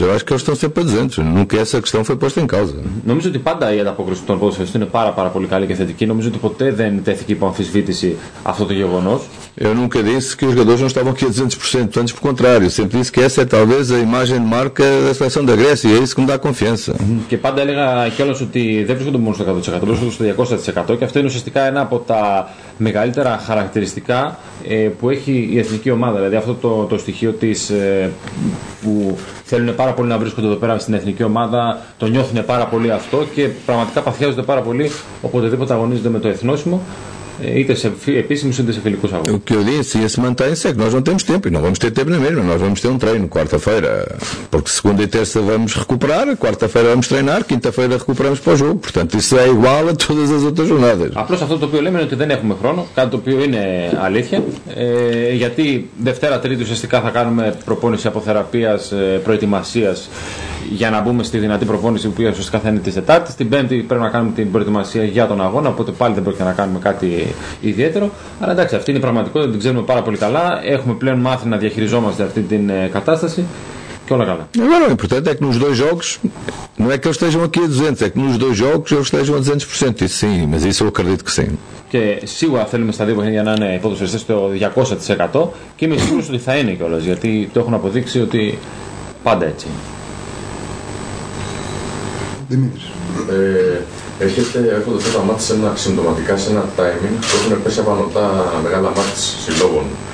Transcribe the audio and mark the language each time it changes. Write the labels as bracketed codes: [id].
[pt] Eu acho que eles estão sempre a 200%. Nunca essa questão foi posta em causa. [el] Νομίζω ότι πάντα η ανταπόκριση των ποδοσφαιριστών είναι πάρα, πάρα πολύ καλή και θετική. Νομίζω ότι ποτέ δεν τέθηκε υπό αμφισβήτηση αυτό το γεγονός. [pt] Eu nunca disse que os jogadores não estavam aqui a 200%. Antes, pelo contrário. Sempre disse que essa é talvez a imagem de marca da seleção da Grécia. E é isso que me dá confiança. [el] Και πάντα έλεγα κιόλας ότι δεν βρίσκονται μόνο στο 100%. Βρίσκονται στο 200%. Και αυτό είναι ουσιαστικά ένα από τα μεγαλύτερα χαρακτηριστικά που έχει η εθνική ομάδα. Δηλαδή αυτό το στοιχείο που θέλουν πάρα πολύ να βρίσκονται εδώ πέρα στην εθνική ομάδα, το νιώθουν πάρα πολύ αυτό και πραγματικά παθιάζονται πάρα πολύ οποτεδήποτε αγωνίζονται με το εθνόσημο, είτε σε επίσημους είτε σε φιλικούς αγώνες. [pt] Και ο Δήμος se mantém seco, nós não temos tempo, não vamos ter tempo nem mesmo, nós vamos ter treino quarta-feira, porque segunda e terça vamos recuperar, quarta-feira vamos treinar, quinta-feira recuperamos para o jogo, portanto isso é igual a todas as outras jornadas. [el] Απλώς αυτό το οποίο λέμε είναι ότι δεν έχουμε χρόνο, κάτι το οποίο είναι αλήθεια, γιατί Δευτέρα, Τρίτη ουσιαστικά θα κάνουμε προπόνηση αποθεραπείας, προετοιμασίας για να μπούμε στη δυνατή προπόνηση, που ουσιαστικά θα είναι τη Τετάρτη. Την Πέμπτη πρέπει να κάνουμε την προετοιμασία για τον αγώνα, οπότε πάλι δεν πρόκειται να κάνουμε κάτι ιδιαίτερο. Αλλά εντάξει, αυτή είναι η πραγματικότητα, την ξέρουμε πάρα πολύ καλά. Έχουμε πλέον μάθει να διαχειριζόμαστε αυτή την κατάσταση και όλα καλά. [pt] Εγώ importante é que nos dois jogos, não é que eles estejam aqui a 200, é que nos dois jogos eles estejam a 200%. Isso sim, mas isso eu acredito que sim. [el] Και σίγουρα θέλουμε στα δύο παιχνίδια να είναι υποδοσφαιριστές στο 200% και είμαι σίγουρος ότι θα είναι κιόλας, γιατί το έχουν αποδείξει ότι πάντα έτσι. Δημήτρης. Έχετε έρχονται αυτά τα μάτς συμπτωματικά σε ένα timing που έχουν πέσει από τα μεγάλα μάτς συλλόγων.